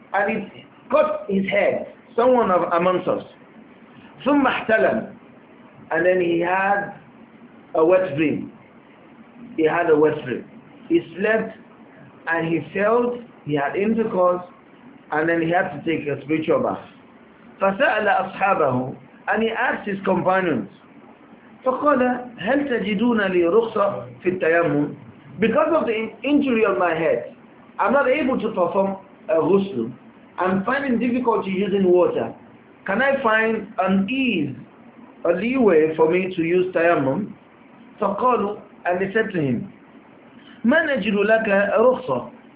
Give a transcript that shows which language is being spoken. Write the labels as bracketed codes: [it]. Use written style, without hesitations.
[en] And it cut his head, someone amongst us. [ar] ثُمَّ احْتَلَمْ. [en] And then he had a wet dream. He had a wet dream. He slept and he felt he had intercourse. And then he had to take a spiritual bath. [ar] فَسَأَلَ أَصْحَابَهُ. [en] And he asked his companions, [ar] فَقَالَ هَلْ تَجِدُونَ لِي رُخْصَ فِي التَّيَمُّمِ. [en] Because of the injury on my head, I'm not able to perform a ghusl. I'm finding difficulty using water. Can I find an ease, a leeway for me to use tayammum? [ar] فَقَالُ. [en] And they said to him, [ar] مَا نَجِدُ لَكَ رُخْصَ.